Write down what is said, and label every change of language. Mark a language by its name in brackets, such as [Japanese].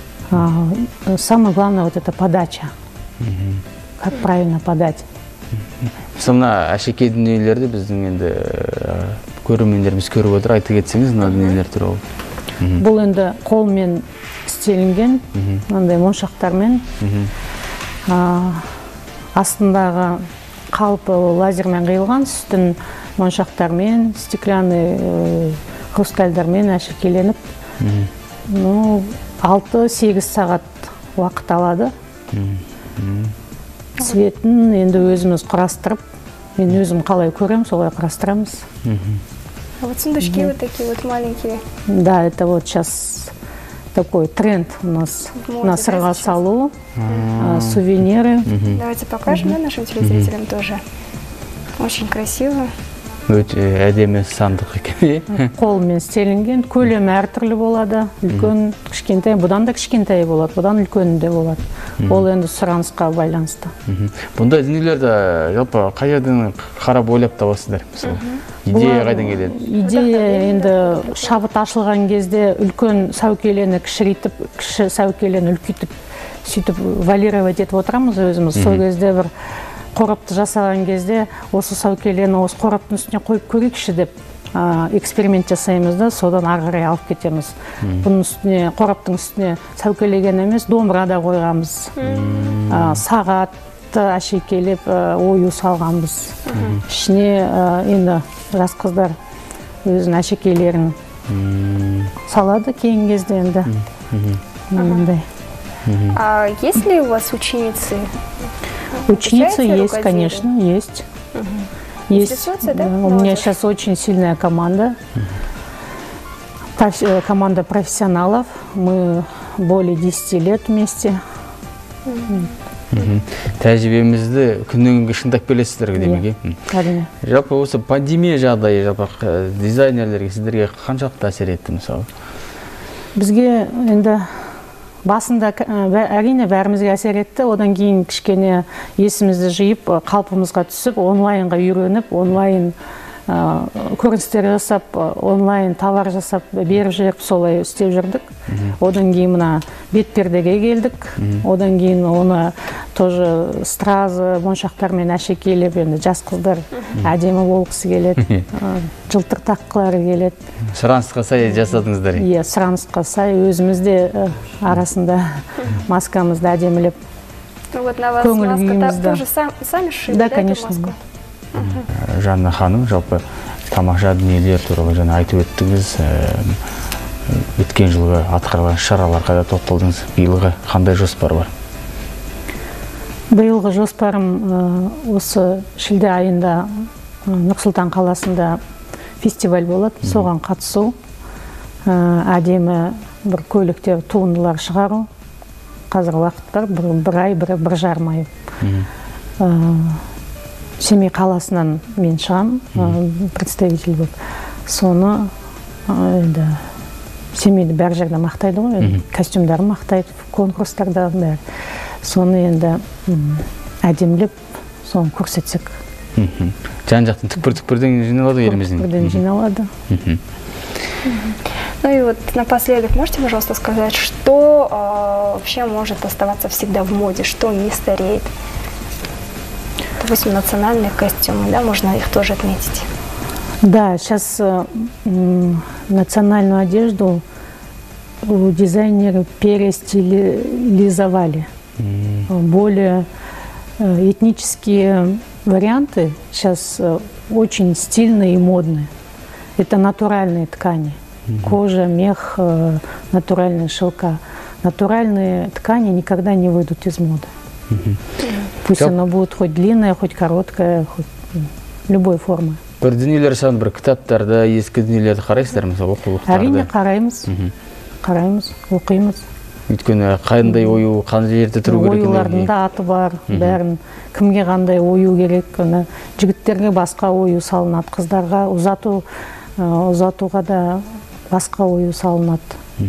[Russian] Самое главное вот эта подача. Как правильно подать. [Kazakh] Сонда ашеке дүниелерді біздің енді көрермендеріміз көріп отыр, айта кетсеңіз, мына дүниелер туралы. Бұл енді қолмен істелінген, мынандай моншақтармен. Астындағы қалпы лазермен қиылған, үстін моншақтармен, стеклянный хрусталдармен әшекеленіп. Ну, 6-8 сағат уақыт алады. Светін енді өзіміз құрастырып, мен өзім қалай көрем, солай құрастырамыз. [Russian] А вот сундучки вот такие вот маленькие. Да, это вот сейчас такой тренд у нас на сарвасалу, сувениры. Давайте покажем нашим телезрителям тоже. Очень красиво. [Kazakh] Өте әдемі сандық екен. Қолмен істелінген, көлемі әртүрлі болады. Үлкен кішкентай, бұдан да кішкентай болады, бұдан үлкені де болады. Ол енді сұранысқа байланысты. Бұндай дүниелерді жалпы қай жерден қарап ойлап табасыздар? Идея қайдан келеді? Идея енді шабыт ашылған кезде үлкен сәукелені кішірейтіп, кіші сәукелені үлкейтіп, сөйтіп валировать етіп отырамыз өзіміз. Сол кезде бір қорапты жасаған кезде осы сәукелені осы қораптың үстіне қойып көрейікші деп эксперимент жасаймыз да, содан ары қарай алып кетеміз. Бұның үстіне қораптың үстіне сәукелеген емес, домбыра да қойғанбыз. Сағатты әшекелеп ою салғанбыз. Ішіне енді жас қыздар өзінің әшекелерін салады кейін кезде енді. [Russian] А есть ли у вас ученицы? Ученицы есть, конечно, есть. Есть. Да? У меня сейчас очень сильная команда. Команда профессионалов. Мы более 10 лет вместе. [Kazakh] Тәжірибемізді күннің шындап келесіздер демеге. Әрине. Жалпы осы пандемия жағдайы жалпы дизайнерлерге сіздерге қаншалықты әсер етті мысалы? Бізге енді басында әрине бәрімізге әсер етті, одан кейін кішкене есімізді жиып, қалпымызға түсіп, онлайнға үйреніп, онлайн көріністер жасап, онлайн товар жасап, беріп жіберіп, солай істеп жүрдік. Одан кейін мына бетпердеге келдік, одан кейін оны тоже стразы, моншақтармен әшекелеп, енді жас қыздар әдемі болғысы келеді, жылтыр таққылары келеді. Сұранысқа сай жасадыңыздар? Иә, сұранысқа сай, өзімізде арасында маскамызды әдемілеп. [Russian] Вот на вас маска тоже сами шили, да, эту маску? Да, конечно. [Kazakh] Жанна ханым, жалпы тамаша дүниелер туралы жаңа айтып өттіңіз. Өткен жылғы атқарған шараларға да тоқталдыңыз. Биылғы қандай жоспар бар? Биылғы жоспарым осы шілде айында Нұрсұлтан қаласында фестиваль болады, соған қатысу. Әдемі бір көліктер, туындылар шығару. Қазір уақыт бар, бір ай, бір жарым ай. Семей қаласынан мен шығам, представитель болып. Соны енді семейді бәр жерде мақтайды ғой, костюмдарын мақтайды, конкурстарда бәрі. Соны енді әдемілеп, соны көрсетсек. Жан жақтан түкпір-түкпірден жиналады еліміздің. Түкпірден жиналады. [Russian] Ну и вот напоследок можете, пожалуйста, сказать, что вообще может оставаться всегда в моде, что не стареет? Допустим, национальные костюмы, да, можно их тоже отметить. Да, сейчас национальную одежду дизайнеры перестилизовали. Более этнические варианты сейчас очень стильные и модные. Это натуральные ткани. Кожа, мех, натуральные шелка. Натуральные ткани никогда не выйдут из моды. Пусть оно будет хоть длинное, хоть короткое, хоть любой формы. [Kazakh] Бір дүниелер саған бір кітаптарда ескі дүниелерді қарайсыздар ма? Әрине қараймыз. Қараймыз, оқимыз. Өйткені қандай ою, қандай жерде тұру керек? Ойлардың да аты бар, бәрін кімге қандай ою керек. Жігіттерге басқа ою салынады, қыздарға ұзатуға да басқа ою салынады.